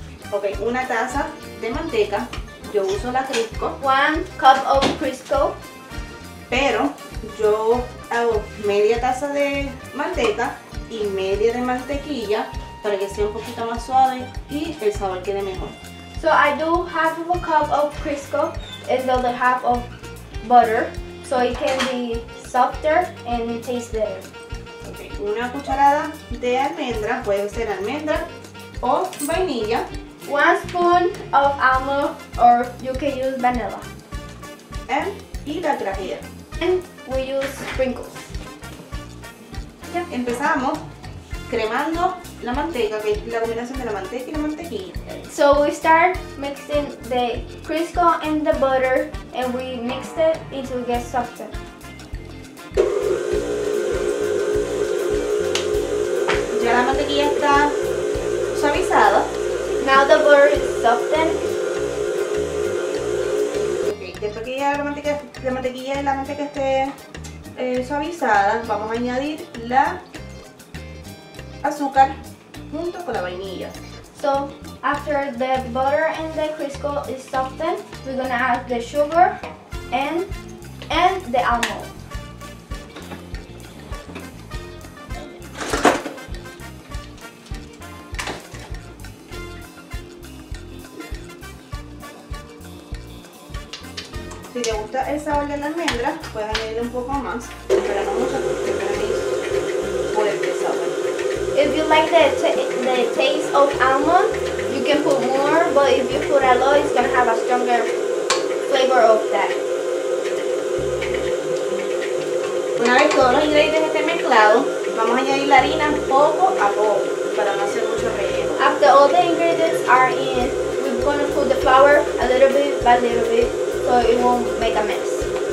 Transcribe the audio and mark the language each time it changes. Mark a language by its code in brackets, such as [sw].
[es] Ok, 1 taza de manteca. Yo uso la Crisco. [en] 1 cup of Crisco. [es] Pero yo hago media taza de manteca y media de mantequilla para que sea un poquito más suave y el sabor quede mejor. [en] So I do 1/2 cup of Crisco and the other 1/2 of butter so it can be softer and it tastes better. [es] Okay, 1 cucharada de almendra, puede ser almendra o vainilla. [en] 1 spoon of almond or you can use vanilla. [es] Y la trajera. [en] And we use sprinkles. Yep. [es] Empezamos cremando la manteca, que es la combinación de la manteca y la mantequilla. [en] So we start mixing the Crisco and the butter and we mix it until it gets softer. [es] Ya la mantequilla está suavizada. [en] Now the butter is softened. [es] Okay, después que ya la mantequilla y la manteca esté suavizada, vamos a añadir la azúcar junto con la vainilla. [en] So after the butter and the Crisco is softened, we're gonna add the sugar and the almond. [es] Si te gusta el sabor de la almendra, puedes añadirle un poco más, pero no mucho porque para mí es fuerte sabor. [en] If you like the taste of almond, you can put more, but if you put a lot, it's gonna have a stronger flavor of that. [es] Una vez todos los ingredientes estén mezclados, vamos a añadir la harina poco a poco para no hacer mucho relleno. [en] After all the ingredients are in, we're gonna put the flour a little bit by little bit, so it won't make a mess.